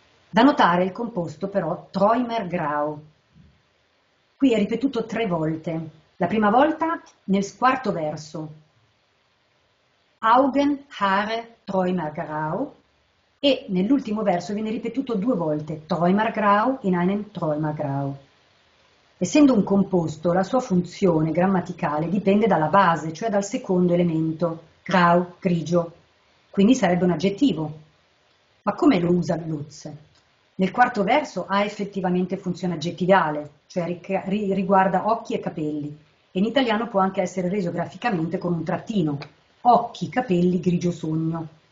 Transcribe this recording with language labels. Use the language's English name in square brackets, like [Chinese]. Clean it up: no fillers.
[Italian] Da notare il composto però Träumer Grau. Qui è ripetuto tre volte. La prima volta nel quarto verso. [German] Augen, Haare, Träumer Grau. [Italian] E nell'ultimo verso viene ripetuto due volte. [German] Träumer Grau in einem Träumer Grau. [Italian] Essendo un composto, la sua funzione grammaticale dipende dalla base, cioè dal secondo elemento. Grau, grigio, quindi sarebbe un aggettivo. Ma come lo usa Lutz? Nel quarto verso ha effettivamente funzione aggettivale, cioè riguarda occhi e capelli, e in italiano può anche essere reso graficamente con un trattino, occhi, capelli, grigio sogno.